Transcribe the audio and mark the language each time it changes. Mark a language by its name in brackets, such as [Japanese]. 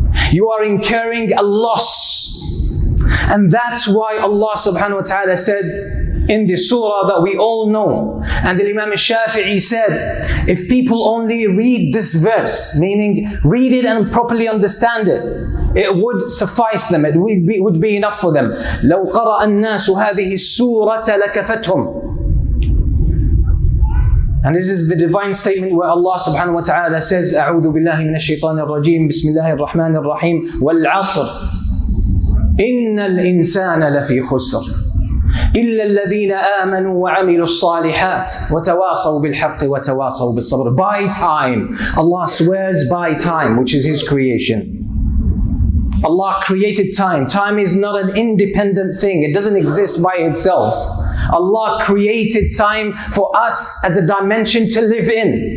[English] You are incurring a loss. And that's why Allah subhanahu wa ta'ala said in the surah that we all know, and the Imam Shafi'i said, if people only read this verse, meaning read it and properly understand it, it would suffice them. It would be enough for them. [Arabic] لو قرأ الناس هذه السورة لكفتهم. [English] And this is the divine statement where Allah subhanahu wa ta'ala says, [Arabic] أعوذ بالله من الشيطان الرجيم بسم الله الرحمن الرحيم والعصر إن الإنسان لفي خسر إلا الذين آمنوا وعملوا الصالحات وتواصوا بالحق وتواصوا بالصبر. [English] By time, Allah swears by time, which is His creation. Allah created time. Time is not an independent thing. It doesn't exist by itself. Allah created time for us as a dimension to live in.